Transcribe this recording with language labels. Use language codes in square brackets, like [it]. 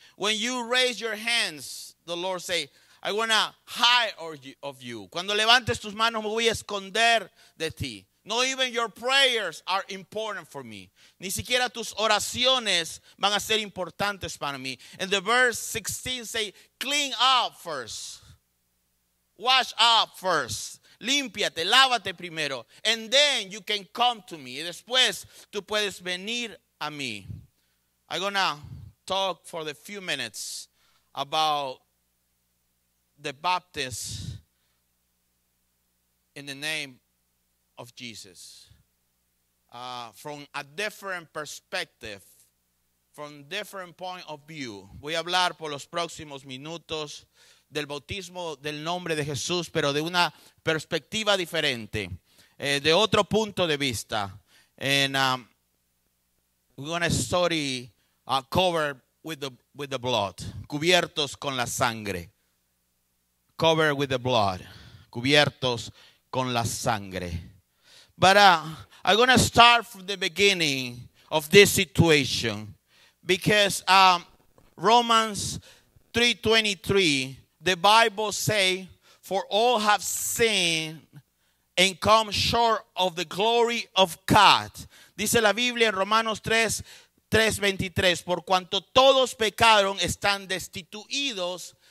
[en] When you raise your hands, the Lord say, I want to hide of you. [es] Cuando levantes tus manos, me voy a esconder de ti. [en] No even your prayers are important for me. [es] Ni siquiera tus oraciones van a ser importantes para mí. [en] And the verse 16 say, clean up first. Wash up first. [es] Límpiate, lávate primero. [en] And then you can come to me. [es] Y después tú puedes venir a mí. [en] I'm going to talk for the few minutes about the Baptist in the name of Jesus, from a different perspective, from different point of view. [es] Voy a hablar por los próximos minutos del bautismo del nombre de Jesús, pero de una perspectiva diferente, de otro punto de vista. [en] And we're going to study covered with the blood, [es] cubiertos con la sangre. [en] Covered with the blood, [es] cubiertos con la sangre. [en] But I'm going to start from the beginning of this situation because Romans 3:23, the Bible say, for all have sinned and come short of the glory of God. [es] Dice la Biblia en Romanos 3:23, por cuanto todos pecaron, están destituidos